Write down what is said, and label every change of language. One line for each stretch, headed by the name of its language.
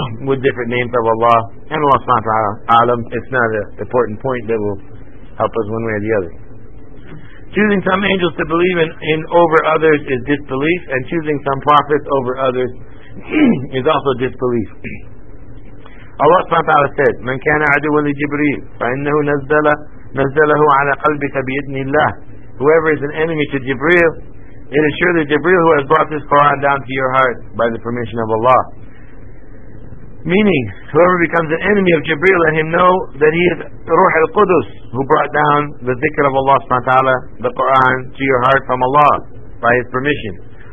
English: With different names of Allah, and Allah subhanahu wa ta'ala, alam, it's not an important point that will help us one way or the other. Choosing some angels to believe in over others is disbelief, and choosing some prophets over others is also disbelief. Allah subhanahu wa ta'ala said,
Arabic: من كان عدوا لجبريل فإنه نزله على قلبك بإذن الله.
English: Whoever is an enemy to Jibril, it is surely Jibril who has brought this Quran down to your heart by the permission of Allah. Meaning, whoever becomes an enemy of Jibril, let him know that he is Ruh al-Qudus, who brought down the zikr of Allah subhanahu wa ta'ala, the Qur'an, to your heart from Allah, by his permission.